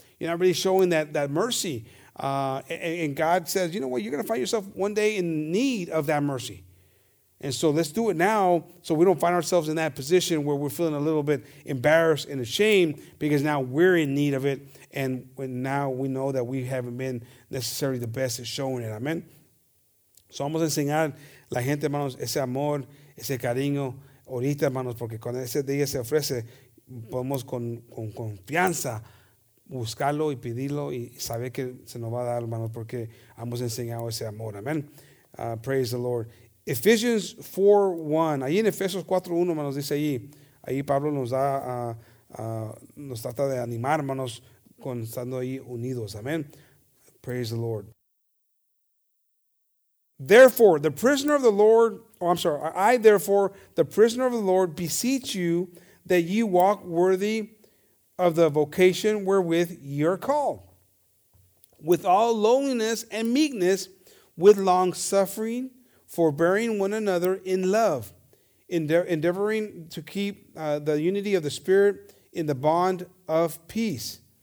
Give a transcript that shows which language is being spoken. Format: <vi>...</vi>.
<en>You're not really showing that mercy. And God says, you know what, you're going to find yourself one day in need of that mercy. And so let's do it now so we don't find ourselves in that position where we're feeling a little bit embarrassed and ashamed because now we're in need of it. And when now we know that we haven't been necessarily the best at showing it. Amen.</en> <es>So vamos a enseñar la gente, hermanos, ese amor, ese cariño, ahorita, hermanos, porque cuando ese día se ofrece, podemos con confianza buscarlo y pedirlo y saber que se nos va a dar, hermanos, porque hemos enseñado ese amor.</es> <en>Amen. Praise the Lord. Ephesians 4:1.</en> <es>Ahí en Efesios 4:1, hermanos, dice ahí. Ahí Pablo nos da, nos trata de animar, hermanos, con estando ahí unidos.</es> <en>Amen. Praise the Lord. Therefore, the prisoner of the Lord, I therefore, the prisoner of the Lord, beseech you that ye walk worthy of the vocation wherewith ye are called, with all lowliness and meekness, with long suffering, forbearing one another in love, endeavoring to keep the unity of the Spirit in the bond of peace.</en>